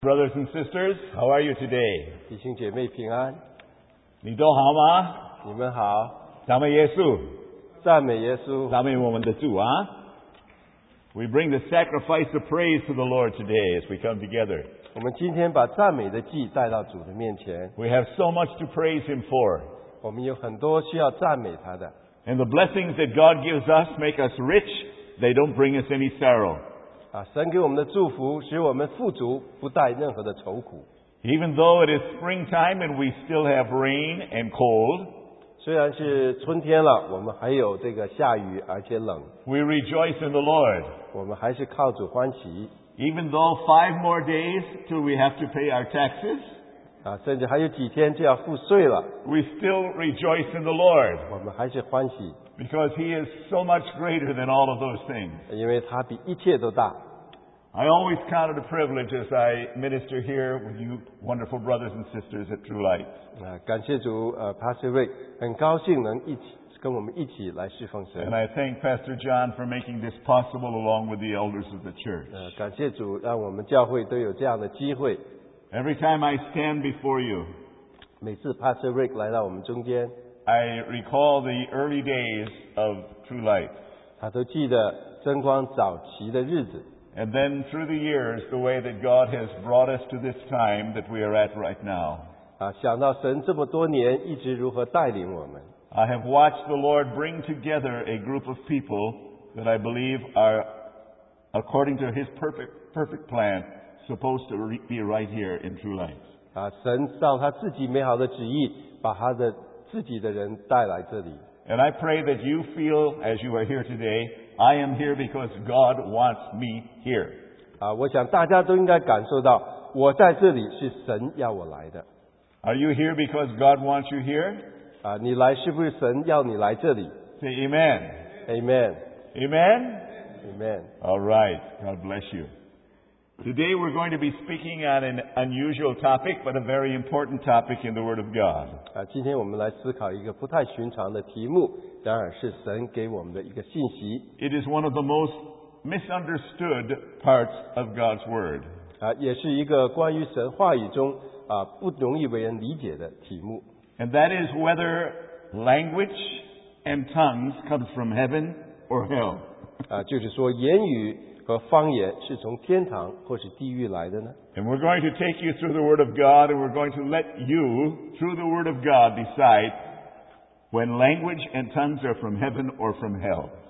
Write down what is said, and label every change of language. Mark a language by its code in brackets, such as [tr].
[en] Brothers and sisters, how are you today? [zh] 弟兄姐妹平安。你都好吗？你们好。赞美耶稣。赞美耶稣。赞美我们的主啊。 [en] We bring the sacrifice of praise to the Lord today as we come together. [zh] 我们今天把赞美的祭带到主的面前。 [en] We have so much to praise Him for. [zh] 我们有很多需要赞美他的。 [en] And the blessings that God gives us make us rich. They don't bring us any sorrow. [zh] 神给我们的祝福使我们富足不带任何的愁苦 [en] Even though it is springtime and we still have rain and cold [zh] 虽然是春天了我们还有这个下雨而且冷 [en] We rejoice in the Lord [zh] 我们还是靠主欢喜 [en] Even though 5 more days till we have to pay our taxes [zh] 甚至还有几天就要付税了 [en] We still rejoice in the Lord [zh] 我们还是欢喜 [en] Because he is so much greater than all of those things. [zh] 因为他比一切都大。 [en] I always count it a privilege as I minister here with you wonderful brothers and sisters at True Light. [zh] 感谢主 Pastor Rick, 很高兴能一起跟我们一起来侍奉神。 [en] And I thank Pastor John for making this possible along with the elders of the church. [zh] 感谢主让我们教会都有这样的机会。 [en] Every time I stand before you, [zh] 每次 Pastor Rick 来到我们中间 [en] I recall the early days of True Light. [zh] 他都记得真光早期的日子。 [en] And then through the years, the way that God has brought us to this time that we are at right now. [zh] 想到神这么多年一直如何带领我们。 [en] I have watched the Lord bring together a group of people that I believe are, according to His perfect plan, supposed to be right here in True Light. [zh] 神照他自己美好的旨意把他的自己的人带来这里。 [en] And I pray that you feel as you are here today, I am here because God wants me here. [zh] 我想大家都应该感受到我在这里是神要我来的。 [en] Are you here because God wants you here? [zh] 你来是不是神要你来这里? [en] Say amen. Amen. Amen. Amen. All right. God bless you. Today we're going to be speaking on an unusual topic, but a very important topic in the Word of God. [zh] 今天我们来思考一个不太寻常的题目，当然是神给我们的一个信息。 [en] It is one of the most misunderstood parts of God's Word. [zh] 也是一个关于神话语中不容易为人理解的题目。 [en] And that is whether language and tongues come from heaven or hell. [zh] 就是说言语和方言是从天堂或是地狱来的呢? [en] And we're going to take you through the Word of God, and we're going to let you, through the Word of God, decide when language and tongues are from heaven or from hell.